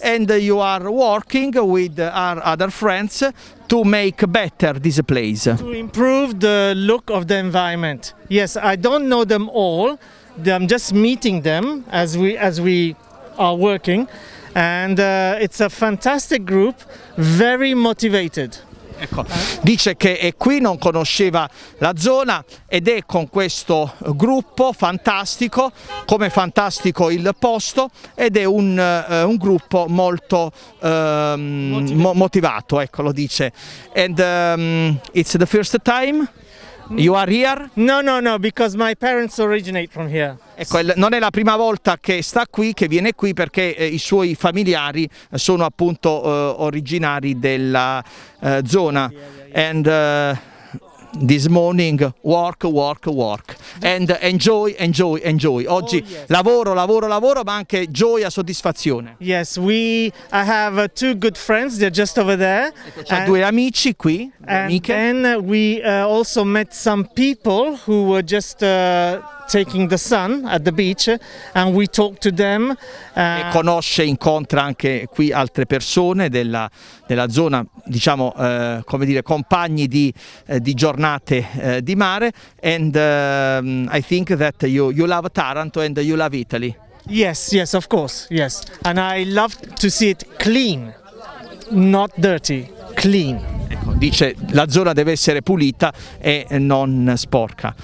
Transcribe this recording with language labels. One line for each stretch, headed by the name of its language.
English: And you are working with our other friends to make better this place. To improve the look of the environment. Yes, I don't know them all. I'm just meeting them as we are working. And it's a fantastic group, very motivated.
Italian: Ecco, dice che è qui, non conosceva la zona ed è con questo gruppo fantastico, come fantastico il posto, ed è un gruppo molto motivato, ecco, lo dice.
English: And it's the first time you are here? No, because my parents originate from here.
Italian: Ecco, non è la prima volta che sta qui, che viene qui, perché i suoi familiari sono appunto originari della zona.
English: And this morning work. And enjoy.
Italian: Oggi lavoro, ma anche gioia, soddisfazione.
English: Yes, I have two good friends, they're just over there.
Italian: Ecco, c'ho due amici qui, amiche.
English: And we also met some people who were just taking the sun at the beach, and we talk to them.
Italian: Incontra anche qui altre persone della zona, diciamo, come dire, compagni di giornate di mare.
English: And I think that you love Taranto and you love Italy. Yes, of course, yes. And I love to see it clean, not dirty, clean.
Italian: Dice la zona deve essere pulita e non sporca.